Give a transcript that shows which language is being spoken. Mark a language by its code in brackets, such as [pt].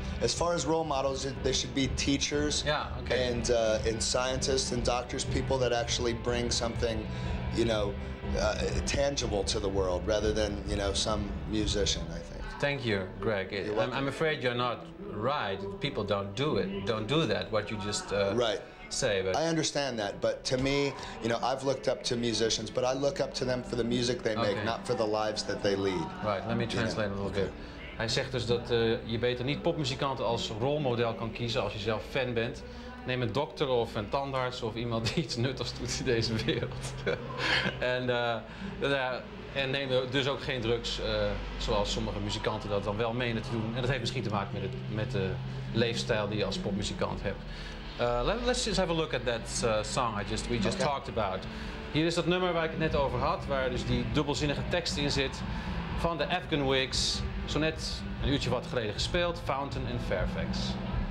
[en] As far as role models, they should be teachers and scientists and doctors, people that actually bring something, you know, tangible to the world, rather than, you know, some musician, I think. Thank you, Greg. I'm afraid you're not right. People don't do it. Don't do that, what you just say. But I understand that, but to me, you know, I've looked up to musicians, but I look up to them for the music they make, not for the lives that they lead. Right, let me translate a little bit. [nl] Hij zegt dus dat je beter niet popmuzikanten als rolmodel kan kiezen als je zelf fan bent. Neem een dokter of een tandarts of iemand die iets nuttigs doet in deze wereld. En nemen dus ook geen drugs, zoals sommige muzikanten dat dan wel menen te doen. En dat heeft misschien te maken met de leefstijl die je als popmuzikant hebt. [en] Let's just have a look at that song we just talked about. [nl] Hier is dat nummer waar ik het net over had, waar dus die dubbelzinnige tekst in zit. Van de Afghan Whigs, zo net een uurtje wat geleden gespeeld, Fountain in Fairfax.